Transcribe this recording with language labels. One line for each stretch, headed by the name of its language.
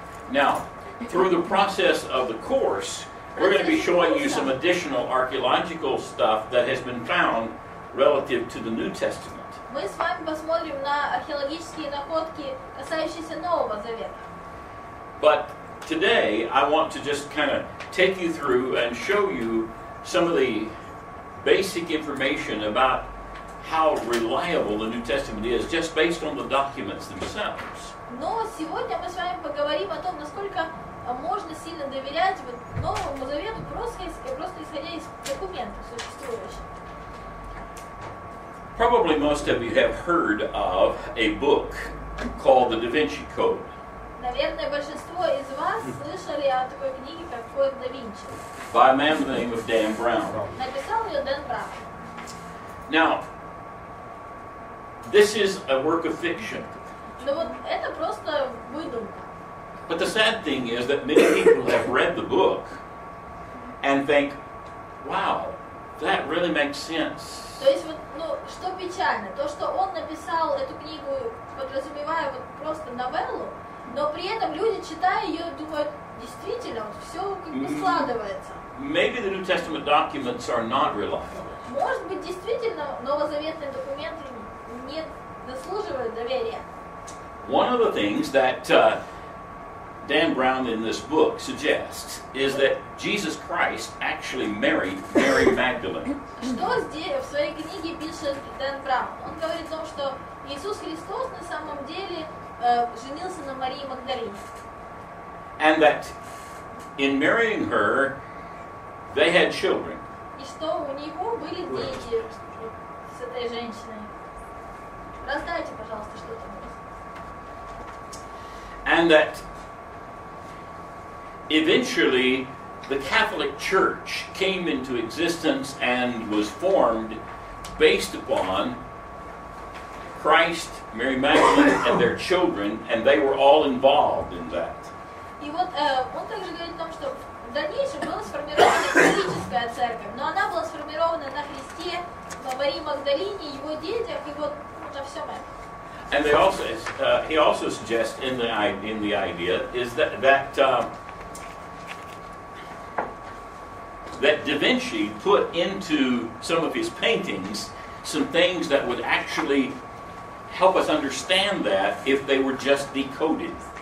English: Now, through the process of the course, we're going to be showing you some additional archaeological stuff that has been found relative to the New Testament.
Russian: Мы с вами посмотрим на археологические находки, касающиеся Нового Завета.
English: But today, I want to just kind of take you through and show you some of the basic information about how reliable the New Testament is, just based on the documents themselves.
Russian: Но сегодня мы с вами поговорим о том, насколько можно сильно доверять вот Новому Завету просто исходя из документов существующих.
English: Probably most of you have heard of a book called The Da Vinci Code.
Russian: Наверное, большинство из вас слышали о такой книге, как Код Да Винчи.
English: By a man by the name of Dan Brown.
Russian: Написал ее Дэн Браун.
English: Now, this is a work of fiction.
Russian: Но вот это просто выдумка.
English: But the sad thing is that many people have read the book and think, wow, that really makes sense.
Russian: То есть вот, ну, что печально, то, что он написал эту книгу, подразумевая вот просто новеллу, но при этом люди, читая ее, думают, действительно, вот все как бы складывается.
English: Maybe the New Testament documents are not reliable.
Russian: Может быть, действительно, новозаветные документы не заслуживают доверия.
English: One of the things that Dan Brown in this book suggests is that Jesus Christ actually married Mary Magdalene.
Russian: Что здесь в своей книге пишет Дэн Браун? Он говорит о том, что Иисус Христос на самом деле женился на Марии Магдалине.
English: And that in marrying her, they had children.
Russian: И что у него были дети с этой женщиной? Раздайте, пожалуйста, что-то.
English: And that eventually the Catholic Church came into existence and was formed based upon Christ, Mary Magdalene, and their children, and they were all involved in that.
Russian: И вот он также говорит о том, что в дальнейшем была сформирована католическая церковь, но она была сформирована на Христе, на Марии Магдалине, его детях и вот на всем этом.
English: And they also he also suggests in the idea is that Da Vinci put into some of his paintings some things that would actually help us understand that if they were just decoded.